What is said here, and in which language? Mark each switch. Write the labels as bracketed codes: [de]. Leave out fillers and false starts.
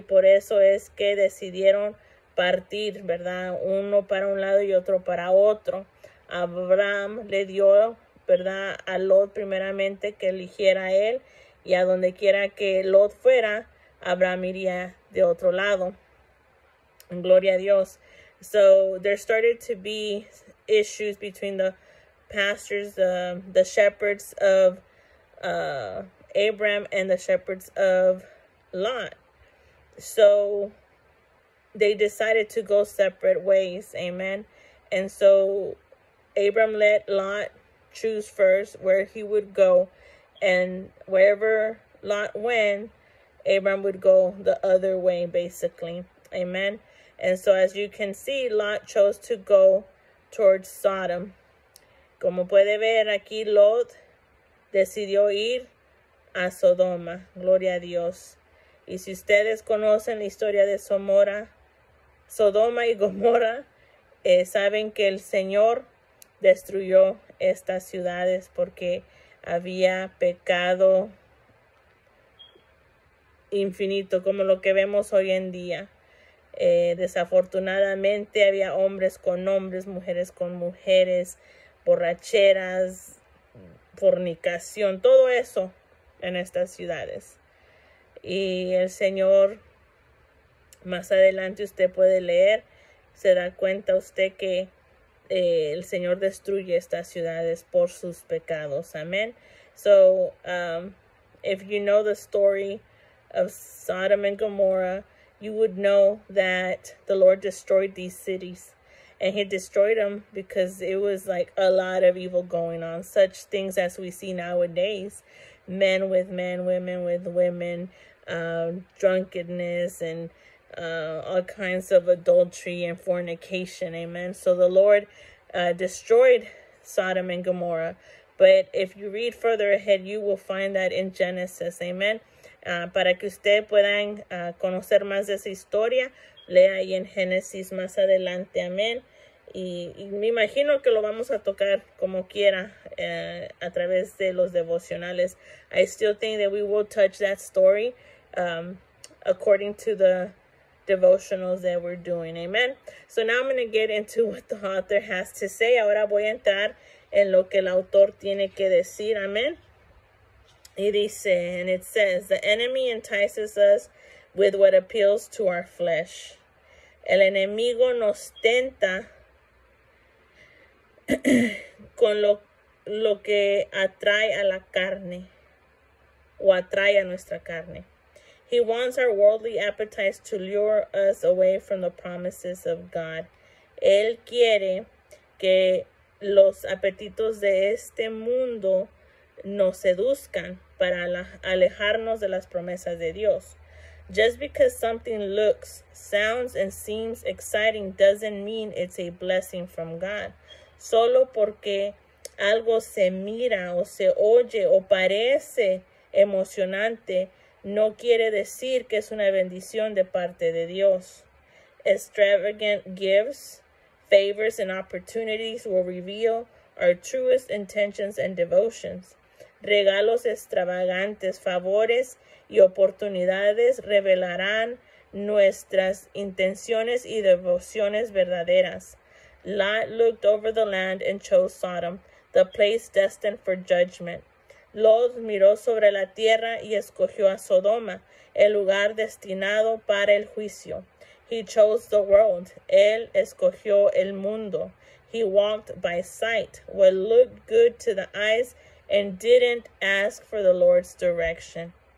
[es] Y por eso es que decidieron partir, ¿verdad?, uno para un lado y otro para otro. Abraham le dio, ¿verdad?, a Lot primeramente que eligiera a él. Y a donde quiera que Lot fuera, Abraham iría de otro lado. Gloria a Dios. [en] So there started to be issues between the pastors, the shepherds of Abraham and the shepherds of Lot. So they decided to go separate ways. Amen. And so Abraham let Lot choose first where he would go. And wherever Lot went, Abram would go the other way, basically. Amen. And so as you can see, Lot chose to go towards Sodom. [es] Como puede ver aquí, Lot decidió ir a Sodoma. Gloria a Dios. Y si ustedes conocen la historia de Sodoma y Gomorra, saben que el Señor destruyó estas ciudades porque había pecado infinito, como lo que vemos hoy en día. Desafortunadamente, había hombres con hombres, mujeres con mujeres, borracheras, fornicación, todo eso en estas ciudades. Y el Señor, más adelante usted puede leer, se da cuenta usted que el Señor destruye estas ciudades por sus pecados. Amén. [en] So, if you know the story of Sodom and Gomorrah, you would know that the Lord destroyed these cities. And he destroyed them because it was like a lot of evil going on. Such things as we see nowadays. Men with men, women with women, drunkenness and all kinds of adultery and fornication. Amen. So the Lord destroyed Sodom and Gomorrah. But if you read further ahead, you will find that in Genesis. Amen. [es] Para que usted puedan conocer más de esa historia, lea ahí en Génesis más adelante. Amen. Y me imagino que lo vamos a tocar como quiera a través de los devocionales. [en] I still think that we will touch that story according to the devotionals that we're doing. Amen. So now I'm going to get into what the author has to say. [es] Ahora voy a entrar en lo que el autor tiene que decir. Amen. Y dice, [en] and it says, the enemy entices us with what appeals to our flesh. [es] El enemigo nos tenta con lo que atrae a la carne o atrae a nuestra carne. [en] He wants our worldly appetites to lure us away from the promises of God. [es] Él quiere que los apetitos de este mundo nos seduzcan para alejarnos de las promesas de Dios. [en] Just because something looks, sounds, and seems exciting doesn't mean it's a blessing from God. [es] Solo porque algo se mira o se oye o parece emocionante, no quiere decir que es una bendición de parte de Dios. [en] Extravagant gifts, favors, and opportunities will reveal our truest intentions and devotions. [es] Regalos extravagantes, favores, y oportunidades revelarán nuestras intenciones y devociones verdaderas. [en] Lot looked over the land and chose Sodom, the place destined for judgment. [es] Lot miró sobre la tierra y escogió a Sodoma, el lugar destinado para el juicio. [en] He chose the world. [es] Él escogió el mundo. [en] He walked by sight, what looked good to the eyes, and didn't ask for the Lord's direction.